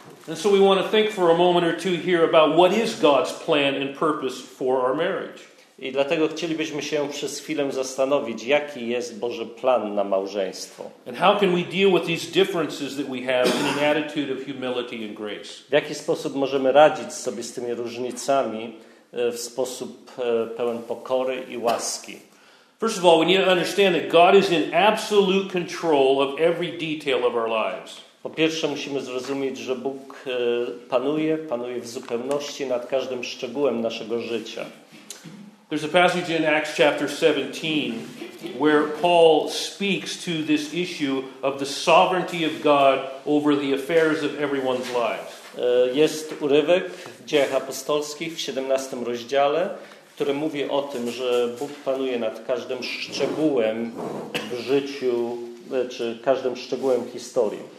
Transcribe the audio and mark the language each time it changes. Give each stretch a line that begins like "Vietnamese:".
English: And so we want to think for a moment or two here about what is God's plan and purpose for our marriage.
Polish: I dlatego chcielibyśmy się przez chwilę zastanowić, jaki jest Boży plan na małżeństwo.
English: And how can we deal with these differences that we have in an attitude of humility and grace?
Polish: W jaki sposób możemy radzić sobie z tymi różnicami w sposób pełen pokory i łaski?
English: First of all, we need to understand that God is in absolute control of every detail of our lives.
Polish: Po pierwsze, musimy zrozumieć, że Bóg panuje w zupełności nad każdym szczegółem naszego życia.
English: There's a passage in Acts chapter 17 where Paul speaks to this issue of the sovereignty of God over the affairs of everyone's lives.
Polish: Jest urywek w Dziejach Apostolskich w 17 rozdziale, który mówi o tym, że Bóg panuje nad każdym szczegółem w życiu, czy każdym szczegółem historii.